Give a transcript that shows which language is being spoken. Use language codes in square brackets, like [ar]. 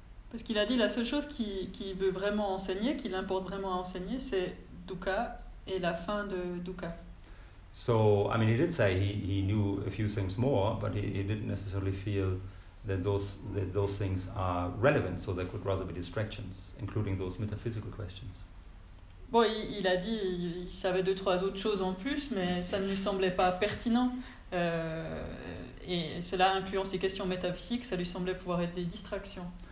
[fr] Parce qu'il a dit la seule chose qui veut vraiment enseigner, qui l'importe vraiment à enseigner, c'est dukkha et la fin de dukkha. [en] So, I mean, he did say he knew a few things more, but he didn't necessarily feel that those things are relevant, so they could rather be distractions, including those metaphysical questions. [fr] Bon, il a dit il savait deux trois autres choses en plus, mais ça ne lui semblait pas pertinent. Et cela incluant ces questions métaphysiques, ça lui semblait pouvoir être des distractions.